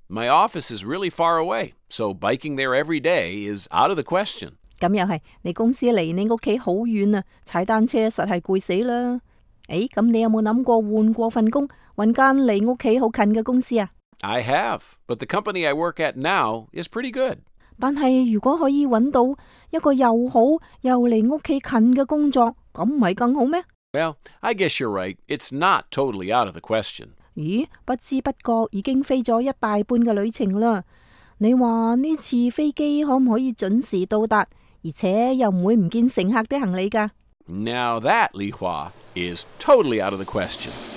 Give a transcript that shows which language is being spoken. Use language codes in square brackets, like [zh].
[en] My office is really far away, so biking there every day is out of the question. [yue] 咁又系，你公司离你屋企好远啊，踩单车实系攰死啦。诶，咁你有冇谂过换过份工，搵间离屋企好近嘅公司啊？ [en] I have, but the company I work at now is pretty good. [yue] 但系如果可以揾到一个又好又离屋企近嘅工作，咁唔系更好咩 [en] ？Well, I guess you're right. It's not totally out of the question. [yue] 咦，不知不觉已经飞咗一大半嘅旅程啦。你话呢次飞机可唔可以准时到达，而且又唔会唔见乘客啲行李噶 [en] ？Now that, Li Hua, is totally out of the question.